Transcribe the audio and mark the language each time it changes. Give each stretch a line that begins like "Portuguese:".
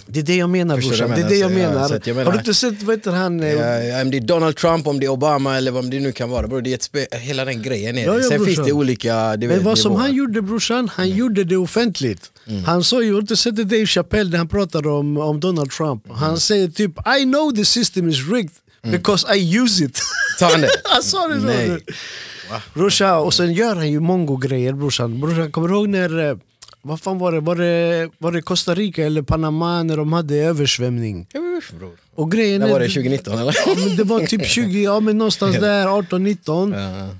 Swedish: Det är det jag menar, brorsan. Jag menar, det är det jag menar. Ja, jag menar. Har du inte sett, vad heter han? Ja, om det är Donald Trump, om det är Obama eller vad det nu kan vara. Bro, det är ett spel. Hela den grejen är det. Sen finns det olika... Det men vet, vad som han gjorde, brorsan, han gjorde det offentligt. Mm. Han sa ju, jag har inte sett det, Dave Chappelle, när han pratade om Donald Trump. Han säger typ,
English: I know the system is rigged because I use it.
Swedish: Ta han det? Han sa det. Nej. Brorsan, och sen gör han ju många grejer, brorsan. Brorsan, kommer ihåg när... Vad fan var det? Var det Costa Rica eller Panama när de hade översvämning? Bror. Och grejen var det 2019 eller? Ja, men det var typ 20, ja men någonstans där, 18-19. Uh-huh.